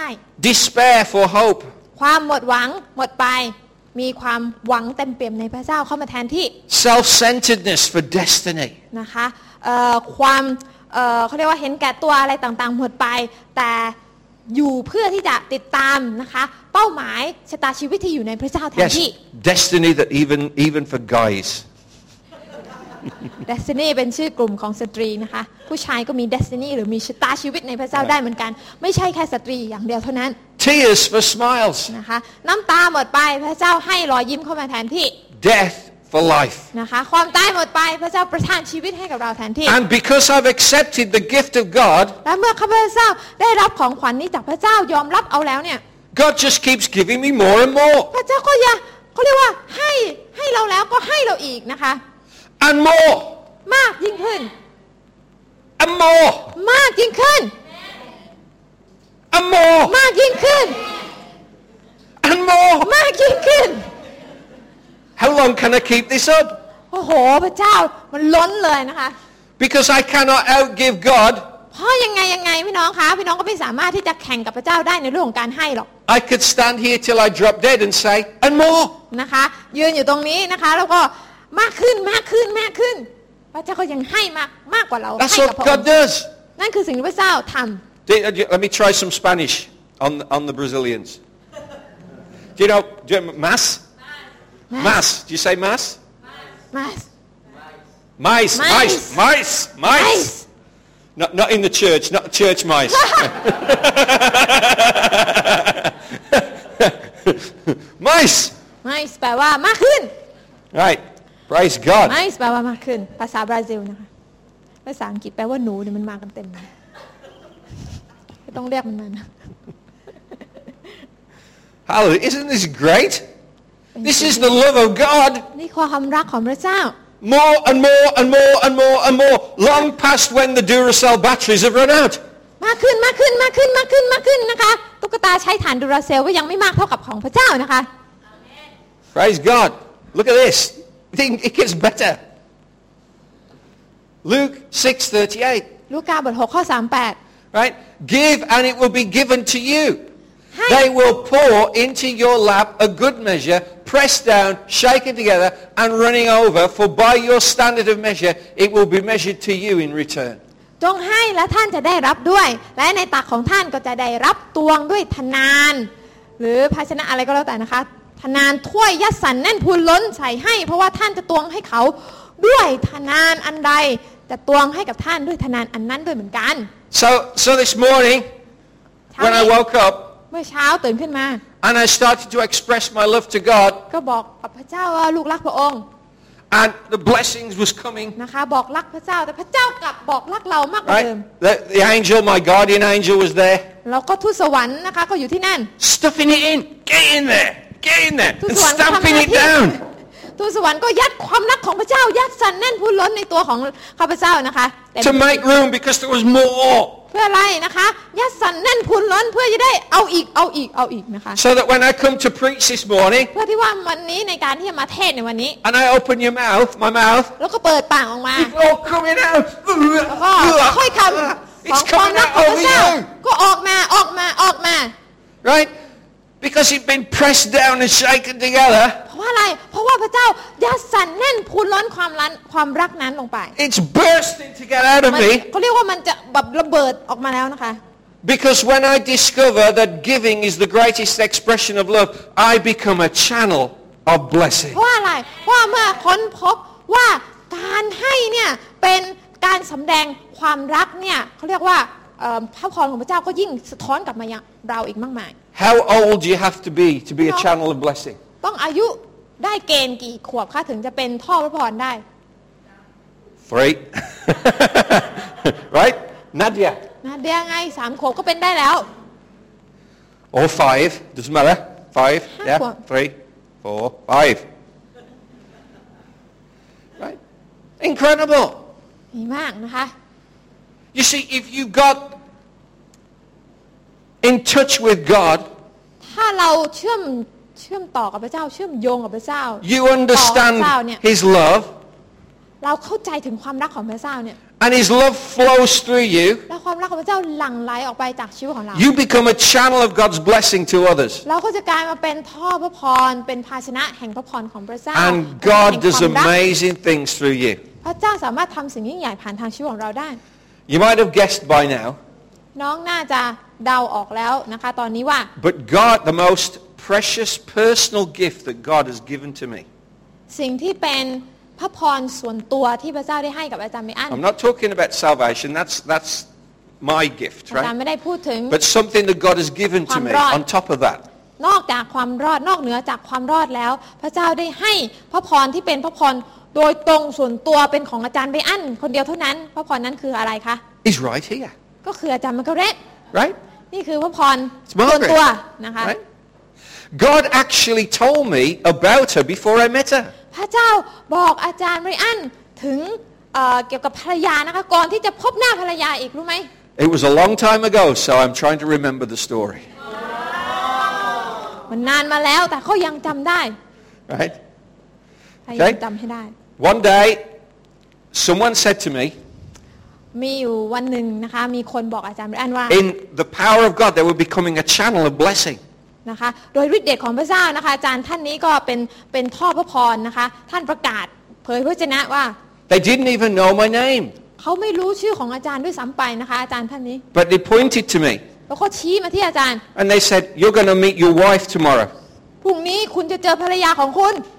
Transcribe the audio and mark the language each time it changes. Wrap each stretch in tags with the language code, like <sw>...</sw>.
<en>Despair for hope</en> <th>ความหมดหวังหมดไปมีความหวังเต็มเปี่ยมในพระเจ้าเข้ามาแทนที่</th> <en>Self-centeredness for destiny</en> <th>นะคะความเขาเรียกว่าเห็นแก่ตัวอะไรต่างๆหมดไปแต่อยู่เพื่อที่จะติดตามนะคะเป้าหมายชะตาชีวิตที่อยู่ในพระเจ้าแทนที่</th> <en>Yes, destiny that even for guys</en> <th>Destiny เป็นชื่อกลุ่มของสตรีนะคะผู้ชายก็มี destiny หรือมีชะตาชีวิตในพระเจ้าได้เหมือนกันไม่ใช่แค่สตรีอย่างเดียวเท่านั้น</th> <en>Tears for smiles</en> <th>นะคะน้ำตาหมดไปพระเจ้าให้รอยยิ้มเข้ามาแทนที่</th> <en>Death for life</en> <th>นะคะความตายหมดไปพระเจ้าประทานชีวิตให้กับเราแทนที่</th> <en>And because I've accepted the gift of God</en> <th>และเมื่อข้าพเจ้าได้รับของขวัญนี้จากพระเจ้ายอมรับเอาแล้วเนี่ย</th> <en>God just keeps giving me more and more</en> <th>พระเจ้าก็ยังเขาเรียกว่าให้เราแล้วก็ให้เราอีกนะคะ</th> <en>and more</en> <th>มากยิ่งขึ้น</th> <en>and more</en> <th>มากยิ่งขึ้น</th> <en>and more</en> <th>มากยิ่งขึ้น</th> <en>and more</en> <th>มากยิ่งขึ้น</th> <en>How long can I keep this up</en> <th>โอ้โหพระเจ้ามันล้นเลยนะคะ</th> <en>Because I cannot outgive God</en> <th>เพราะยังไงพี่น้องคะพี่น้องก็ไม่สามารถที่จะแข่งกับพระเจ้าได้ในเรื่องของการให้หรอก</th> <en>I could stand here till I drop dead and say and more</en> <th>นะคะยืนอยู่ตรงนี้นะคะแล้วก็มากขึ้นมากขึ้นมากขึ้นพระเจ้าก็ยังให้มากกว่าเราให้กับ</th> <en>God does</en> <th>นั่นคือสิ่งที่พระเจ้าทํา</th> <en>Let me try some Spanish on the Brazilians Do you know mass mass do you say mass mass mice mice mice mice, mice. mice. Not in the church not church mice mice</en> <th>แปลว่ามากขึ้น</th> <en>right praise god</en> <th>mice แปลว่ามากขึ้นภาษาบราซิลนะคะภาษาอังกฤษแปลว่าหนูเนี่ยมันมากันเต็มไม่ต้องเรียกมันนั่น</th> <en>Hallelujah isn't this great This is the love of God.</en> <th>นี่ความรักของพระเจ้า</th> <en>More and more and more and more and more, long past when the Duracell batteries have run out.</en> <th>มากขึ้นมากขึ้นมากขึ้นมากขึ้นมากขึ้นนะคะตุ๊กตาใช้ถ่าน Duracell ก็ยังไม่มากเท่ากับของพระเจ้านะคะ</th> <en>Praise God. Look at this. I think it gets better. Luke 6:38.</en> <th>ลูกาบทหกข้อสามแปด</th> <en>Right. Give and it will be given to you. They will pour into your lap a good measure, pressed down, shaken together, and running over. For by your standard of measure, it will be measured to you in return.</en> <th>จงให้และท่านจะได้รับด้วยและในตักของท่านก็จะได้รับตวงด้วยทนานหรือภาชนะอะไรก็แล้วแต่นะคะทนานถ้วยยัดสันแน่นพูนล้นใส่ให้เพราะว่าท่านจะตวงให้เขาด้วยทนานอันใดจะตวงให้กับท่านด้วยทนานอันนั้นด้วยเหมือนกัน</th> <en>So this morning when I woke up</en> <th>เมื่อเช้าตื่นขึ้นมา</th> <en>And I started to express my love to God</en> <th>ก็บอกกับพระเจ้าว่าลูกรักพระองค์</th> <en>And the blessings was coming</en> <th>นะคะบอกรักพระเจ้าแต่พระเจ้ากลับบอกรักเรามากกว่าเดิม</th> <en>The angel my guardian angel was there</en> <th>แล้วก็ทูตสวรรค์นะคะก็อยู่ที่นั่น</th> <en>Stuffing it in get in there and stamping it down</en> <th>ทูตสวรรค์ก็ยัดความรักของพระเจ้ายัดสันแน่นพูนล้นในตัวของข้าพเจ้านะคะ</th> <en>To make room because there was more</en> <th>เพื่ออะไรนะคะยัดสันแน่นพูนล้นเพื่อจะได้เอาอีกนะคะ</th> <en>So that when I come to preach this morning</en> <th>เพื่อที่ว่าวันนี้ในการที่จะมาเทศในวันนี้</th> <en>And I open your mouth my mouth</en> <th>แล้วก็เปิดปากออกมา</th> <en>It's all coming out</en> <th>ค่อยคำของความรักของพระเจ้าก็ออกมา</th> <en>Right because you've been pressed down and shaken together</en> <th>เพราะว่าอะไรเพราะว่าพระเจ้ายัดสันแน่นพูนล้นความรักนั้นลงไป</th> <en>It's bursting to get out of me</en> <th>เขาเรียกว่ามันจะแบบระเบิดออกมาแล้วนะคะ</th> <en>Because when I discover that giving is the greatest expression of love I become a channel of blessing</en> <th>เพราะอะไรเพราะเมื่อค้นพบว่าการให้เนี่ยเป็นการสําแดงความรักเนี่ยเขาเรียกว่าพระพรของพระเจ้าก็ยิ่งสะท้อนกลับมายังเราอีกมากมาย</th> <en>How old do you have to be a channel of blessing?</en> <th>ต้องอายุได้เกณฑ์กี่ขวบคะถึงจะเป็นท่อพระพรได้</th> <en>Three. right? Nadia.</en> <th>Nadia ไง3ขวบก็เป็นได้แล้ว</th> <en>Or 5. Doesn't matter. 5. Yeah. 3. 4. 5. Right? Incredible.</en> <th>ดีมากนะคะ</th> <en>You see, if you got in touch with God,</en> <th>ถ้าเราเชื่อมต่อกับพระเจ้าเชื่อมโยงกับพระเจ้า</th> <en>You understand His love</en> <th>เราเข้าใจถึงความรักของพระเจ้าเนี่ย</th> <en>And His love flows through you</en> <th>แล้วความรักของพระเจ้าหลั่งไหลออกไปจากชีวิตของเรา</th> <en>You become a channel of God's blessing to others</en> <th>เราก็จะกลายมาเป็นท่อพระพรเป็นภาชนะแห่งพระพรของพระเจ้า</th> <en>And God does amazing things through you</en> <th>พระเจ้าสามารถทำสิ่งยิ่งใหญ่ผ่านทางชีวิตของเราได้</th> <en>You might have guessed by now</en> <th>น้องน่าจะเดาออกแล้วนะคะตอนนี้ว่า</th> <en>But God the most precious personal gift that God has given to me</en> <th>สิ่งที่เป็นพระพรส่วนตัวที่พระเจ้าได้ให้กับอาจารย์ไม่อั้น</th> <en>I'm not talking about salvation that's my gift right</en> <th>อาจารย์ไม่ได้พูดถึง</th> <en>But something that God has given to me on top of that</en> <th>นอกจากความรอดนอกเหนือจากความรอดแล้วพระเจ้าได้ให้พระพรที่เป็นพระพรโดยตรงส่วนตัวเป็นของอาจารย์ไม่อั้นคนเดียวเท่านั้นพระพรนั้นคืออะไรคะ</th> <en>Is right here</en> <th>ก็คืออาจารย์มะกะเร็ด</th> <en>Right.</en> <th>นี่คือพระพรส่วนตัวนะคะ</th> <en>God actually told me about her before I met her.</en> <th>พระเจ้าบอกอาจารย์ไรอัน ถึงเกี่ยวกับภรรยานะคะก่อนที่จะพบหน้าภรรยาอีกรู้ไหม</th> <en>It was a long time ago so I'm trying to remember the story</en> <th>มันนานมาแล้วแต่เขายังจำได้</th> <en>Right</en> <th>ยังจำให้ได้</th> <en>One day someone said to me</en> <th>มีอยู่วันหนึ่งนะคะมีคนบอกอาจารย์อันว่า</th> <en>In the power of God there will be coming a channel of blessing</en> <th>นะคะโดยฤทธิ์เดชของพระเจ้านะคะอาจารย์ท่านนี้ก็เป็นท่อพระพรนะคะท่านประกาศเผยพระวจนะว่า</th> <en>They didn't even know my name</en> <th>เขาไม่รู้ชื่อของอาจารย์ด้วยซ้ำไปนะคะอาจารย์ท่านนี้</th> <en>But they pointed to me</en> <th>แล้วก็ชี้มาที่อาจารย์</th> <en>And they said you're going to meet your wife tomorrow</en> <th>พรุ่งนี้คุณจะเจอภรรยาของคุณ</th>